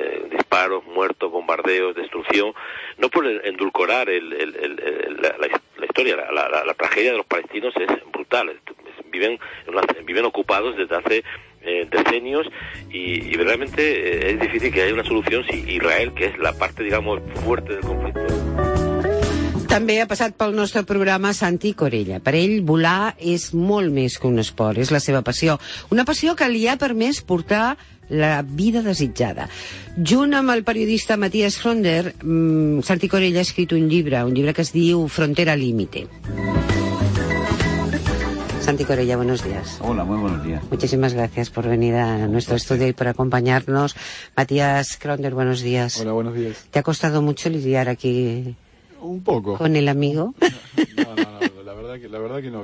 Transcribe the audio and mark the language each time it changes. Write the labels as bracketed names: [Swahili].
[Spanish] Disparos, muertos, bombardeos, destrucción, no por endulcorar la historia, la tragedia de los palestinos es brutal. Viven ocupados desde hace decenios y realmente es difícil que haya una solución si Israel, que es la parte, digamos, fuerte del conflicto. [Catalan] També ha passat pel nostre programa Santi Corella. Per ell, volar és molt més que un esport, és la seva passió. Una passió que li ha permès portar la vida desitjada. Junt amb el periodista Matías Fronder, Santi Corella ha escrit un llibre que es diu Frontera Límite. [Spanish] Santi Corella, buenos días. Hola, muy buenos días. Muchísimas gracias por venir a nuestro estudio y por acompañarnos. Matías Fronder, buenos días. Hola, buenos días. ¿Te ha costado mucho lidiar aquí? Un poco. ¿Con el amigo? No, la verdad que no.